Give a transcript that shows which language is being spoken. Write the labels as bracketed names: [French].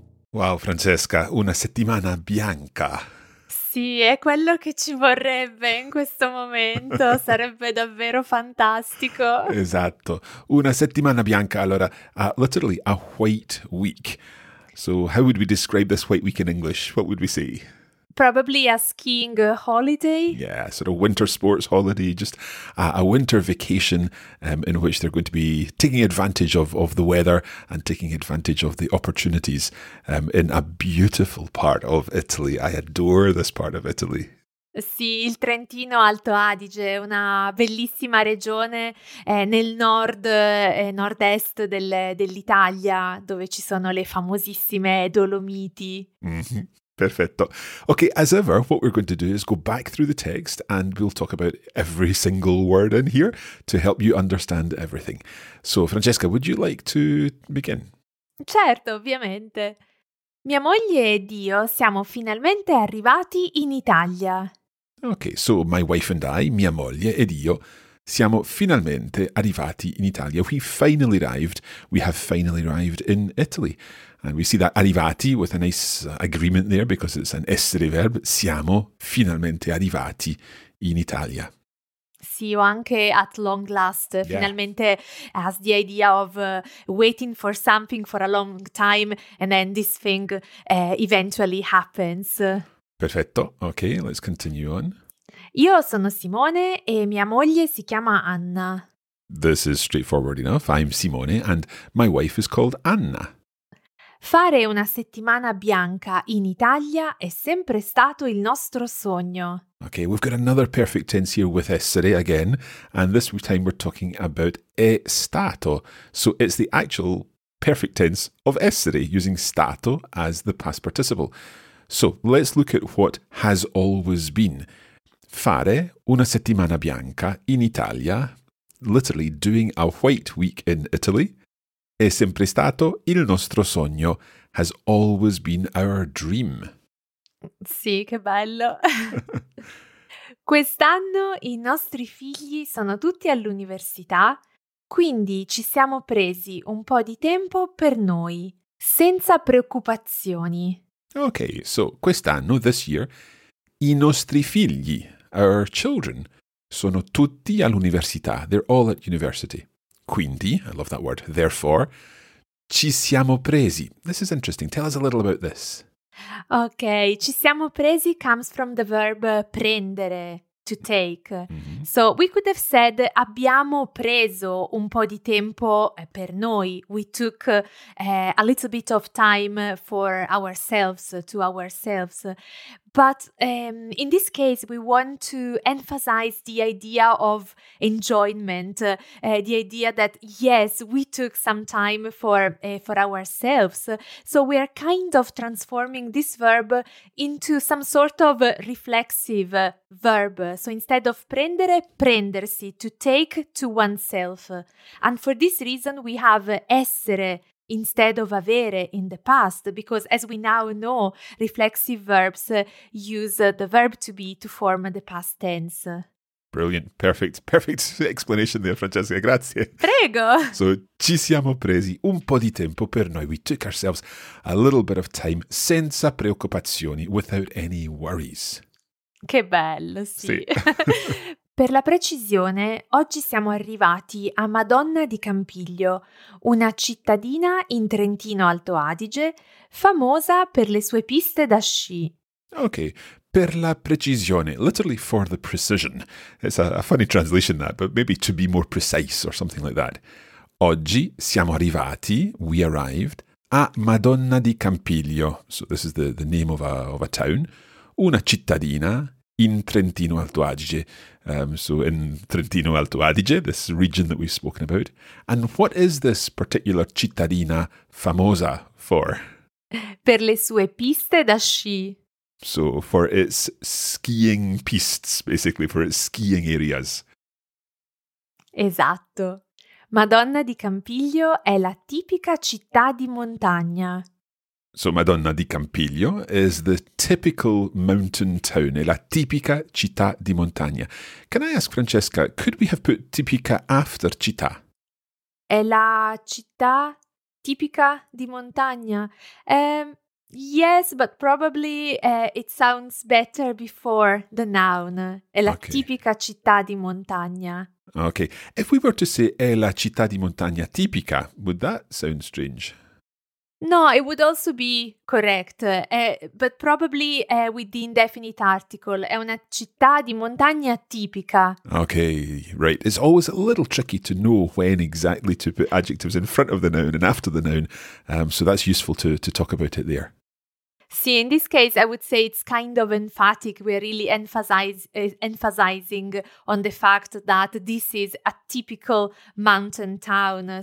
[Italian] Wow, Francesca, una settimana bianca! Sì, è quello che ci vorrebbe in questo momento, sarebbe davvero fantastico. Esatto, una settimana bianca, allora, [English] literally a white week. So how would we describe this white week in English? What would we say? Probably a skiing holiday. Yeah, sort of winter sports holiday, just a winter vacation in which they're going to be taking advantage of the weather and taking advantage of the opportunities in a beautiful part of Italy. I adore this part of Italy. [Italian] Sì, il Trentino Alto Adige, una bellissima regione nel nord e nord-est dell'Italia, dove ci sono le famosissime Dolomiti. Mm-hmm. Perfetto. [English] Okay, as ever, what we're going to do is go back through the text and we'll talk about every single word in here to help you understand everything. So, Francesca, would you like to begin? [Italian] Certo, ovviamente. Mia moglie ed io siamo finalmente arrivati in Italia. [English] Okay, so my wife and I, [Italian] mia moglie ed io, siamo finalmente arrivati in Italia. [English] We finally arrived. We have finally arrived in Italy. And we see that arrivati with a nice agreement there because it's an essere verb. [Italian] Siamo finalmente arrivati in Italia. Sì, o anche [English] at long last. Yeah. Finalmente has the idea of waiting for something for a long time and then this thing eventually happens. Perfetto. Okay, let's continue on. [Italian] Io sono Simone e mia moglie si chiama Anna. [English] This is straightforward enough. I'm Simone and my wife is called Anna. [Italian] Fare una settimana bianca in Italia è sempre stato il nostro sogno. [English] Okay, we've got another perfect tense here with essere again, and this time we're talking about è stato. So it's the actual perfect tense of essere, using stato as the past participle. So let's look at what has always been. [Italian] Fare una settimana bianca in Italia, [English] literally doing a white week in Italy, [Italian] è sempre stato il nostro sogno, [English] has always been our dream. [Italian] Sì, che bello. Quest'anno i nostri figli sono tutti all'università, quindi ci siamo presi un po' di tempo per noi, senza preoccupazioni. [English] Ok, so [Italian] quest'anno, [English] this year, [Italian] i nostri figli, [English] our children, [Italian] sono tutti all'università, [English] they're all at university. Quindi, I love that word, therefore, [Italian] ci siamo presi. [English] This is interesting. Tell us a little about this. Okay, [Italian] ci siamo presi [English] comes from the verb prendere, to take. Mm-hmm. So we could have said [Italian] abbiamo preso un po' di tempo per noi. [English] We took a little bit of time for ourselves, to ourselves. But in this case, we want to emphasize the idea of enjoyment, the idea that, yes, we took some time for ourselves. So we are kind of transforming this verb into some sort of reflexive verb. So instead of prendere, prendersi, to take to oneself. And for this reason, we have essere instead of avere in the past, because as we now know, reflexive verbs use the verb to be to form the past tense. Brilliant, perfect, perfect explanation there, Francesca, grazie. [Italian] Prego! So, ci siamo presi un po' di tempo per noi. [English] We took ourselves a little bit of time [Italian] senza preoccupazioni, [English] without any worries. [Italian] Che bello, sì. Sì. Per la precisione, oggi siamo arrivati a Madonna di Campiglio, una cittadina in Trentino Alto Adige, famosa per le sue piste da sci. [English] Ok, [Italian] per la precisione, [English] literally for the precision. It's a funny translation that, but maybe to be more precise or something like that. [Italian] Oggi siamo arrivati, [English] we arrived, [Italian] a Madonna di Campiglio. [English] So this is the name of a town. [Italian] Una cittadina in Trentino Alto Adige. [English] So in Trentino Alto Adige, this region that we've spoken about. And what is this particular cittadina famosa for? [Italian] Per le sue piste da sci. [English] So for its skiing pistes, basically, for its skiing areas. [Italian] Esatto. Madonna di Campiglio è la tipica città di montagna. [English] So Madonna di Campiglio is the typical mountain town, [Italian] è la tipica città di montagna. [English] Can I ask Francesca, could we have put tipica after città? [Italian] È la città tipica di montagna. [English] Yes, but probably it sounds better before the noun. [Italian] È la tipica città di montagna. [English] Okay. If we were to say [Italian] è la città di montagna tipica, [English] would that sound strange? No, it would also be correct, but probably with the indefinite article. [Italian] È una città di montagna tipica. [English] Okay, right. It's always a little tricky to know when exactly to put adjectives in front of the noun and after the noun, so that's useful to talk about it there. See, in this case, I would say it's kind of emphatic. We're really emphasizing on the fact that this is a typical mountain town.